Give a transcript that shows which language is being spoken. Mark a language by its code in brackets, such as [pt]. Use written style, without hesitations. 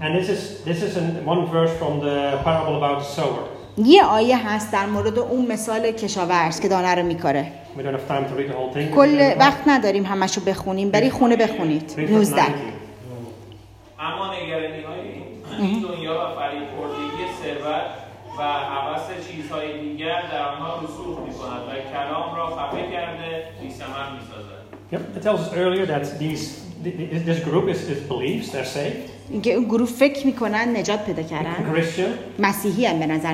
[en] And this is one verse from the parable about the sower. [fa] یه آیه هست در مورد اون مثال کشاورز که دانه رو میکاره. کل وقت نداریم همشو بخونیم, بری خونه بخونید. 19. اما نگرانی های دنیا و فریبکاری ثروت و هوس چیزهای دیگر در آنها رسوخ میکند و کلام را خفه کرده بی‌ثمر میسازد. [en] Yep, it tells us earlier that this group is believes they're saved. [fa] اینکه اون گروه فکر میکنن نجات پیدا کردن, مسیحی هم به نظر